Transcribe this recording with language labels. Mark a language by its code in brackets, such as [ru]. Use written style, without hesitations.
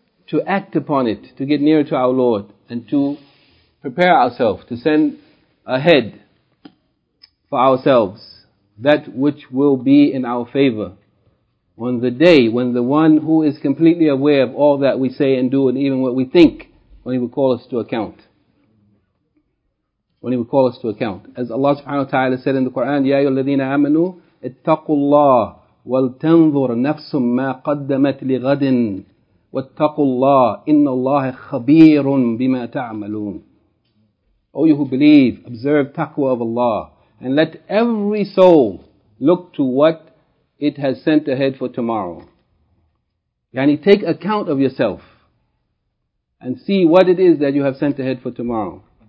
[en] to act upon it, to get nearer to our Lord, and to prepare ourselves, to send ahead for ourselves that which will be in our favor. On the day when the one who is completely aware of all that we say and do, and even what we think, when he will call us to account. When he will call us to account. As Allah subhanahu wa ta'ala said in the Quran, [ar] يَا أَيُّهَا الَّذِينَ آمَنُوا اتَّقُوا اللَّهَ وَلْتَنْظُرْ نَفْسٌ مَا قَدَّمَتْ لِغَدٍ وَاتَّقُوا اللَّهَ إِنَّ اللَّهَ خَبِيرٌ بِمَا تَعْمَلُونَ. [en] O you who believe, observe taqwa of Allah, and let every soul look to what it has sent ahead for tomorrow. Yani, take account of yourself and see what it is that you have sent ahead for tomorrow.